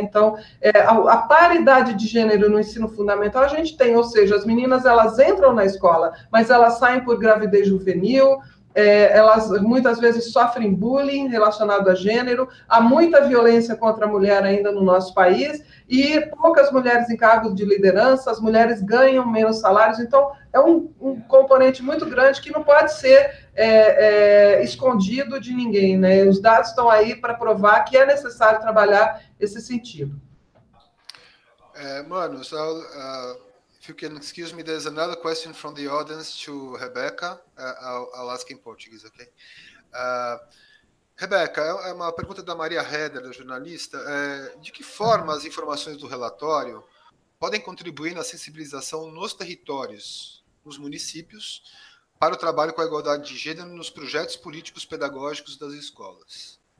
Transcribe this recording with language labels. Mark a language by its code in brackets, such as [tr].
[pt] Então, a paridade de gênero no ensino fundamental a gente tem, ou seja, as meninas, elas entram na escola, mas elas saem por gravidez juvenil, elas muitas vezes sofrem bullying relacionado a gênero, há muita violência contra a mulher ainda no nosso país, e poucas mulheres em cargos de liderança, as mulheres ganham menos salários. Então, é um componente muito grande que não pode ser escondido de ninguém, né? Os dados estão aí para provar que é necessário trabalhar esse sentido. [en] Manos, if you can excuse me, there's another question from the audience to Rebecca. I'll ask in Portuguese, okay? [pt] Rebeca, é uma pergunta da Maria Heder, da jornalista. De que forma as informações do relatório podem contribuir na sensibilização nos territórios, nos municípios, para o trabalho com a igualdade de gênero nos projetos políticos pedagógicos das escolas?